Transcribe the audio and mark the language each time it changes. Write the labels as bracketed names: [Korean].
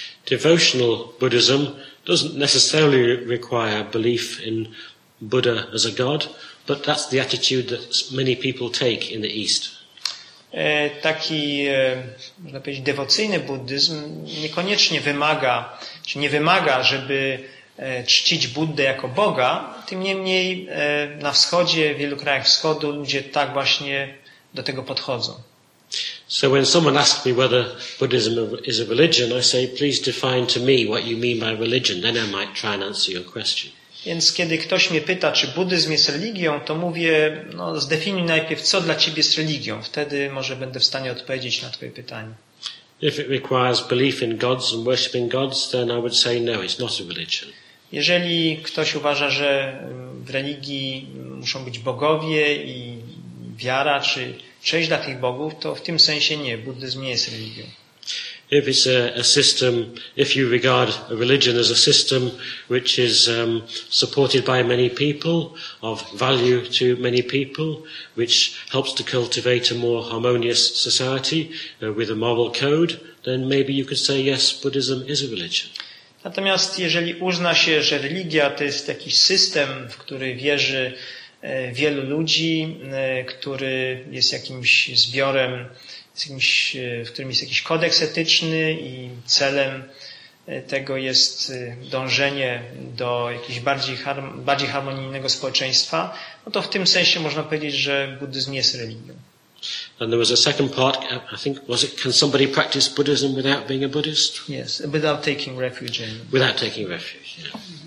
[English] Devotional Buddhism doesn't necessarily require belief in Buddha as a god, but that's the attitude that many people take in the East. [Polish] Taki, można powiedzieć, dewocyjny buddyzm niekoniecznie wymaga, czy nie wymaga, żeby czcić Buddę jako Boga. Tym niemniej na wschodzie, w wielu krajach wschodu, ludzie tak właśnie do tego podchodzą. [English] So when someone asks me whether Buddhism is a religion, I say, please define to me what you mean by religion, then I might try and answer your question. [Polish] Więc kiedy ktoś mnie pyta, czy buddyzm jest religią, to mówię, no, zdefiniuj najpierw, co dla ciebie jest religią. Wtedy może będę w stanie odpowiedzieć na twoje pytanie. [English] If it requires belief in gods and worshiping gods, then I would say no, it's not a religion. [Polish] Jeżeli ktoś uważa, że w religii muszą być bogowie i wiara, czy cześć dla tych bogów, to w tym sensie nie, buddyzm nie jest religią. [English] If it's a system, if you regard a religion as a system which is supported by many people, of value to many people, which helps to cultivate a more harmonious society with a moral code, then maybe you could say yes, Buddhism is a religion. [Polish] Natomiast jeżeli uzna się, że religia to jest jakiś system, w który wierzy wielu ludzi, który jest jakimś zbiorem, w którym jest jakiś kodeks etyczny i celem tego jest dążenie do jakiegoś bardziej harmonijnego społeczeństwa, no to w tym sensie można powiedzieć, że buddyzm jest religią. [English] And there was a second part, I think, was it, can somebody practice Buddhism without being a Buddhist? Yes, without taking refuge in. Without taking refuge, yeah.